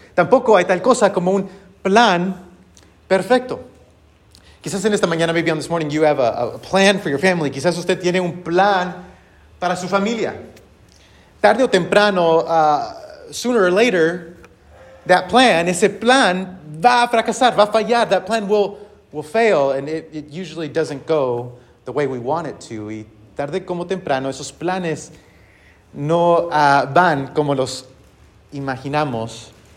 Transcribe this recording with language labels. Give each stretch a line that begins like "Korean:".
Spanish: Tampoco hay tal cosa como un plan perfecto. Quizás en esta mañana,
English: maybe on this morning, you have a plan for your family.
Spanish: Quizás usted tiene un plan para su familia. Tarde o temprano,
English: sooner or later, that plan,
Spanish: ese plan va a fracasar, va a fallar.
English: That plan will fail, and it usually doesn't go the way we want it to.
Spanish: Y tarde como temprano, esos planes no van como los imaginamos.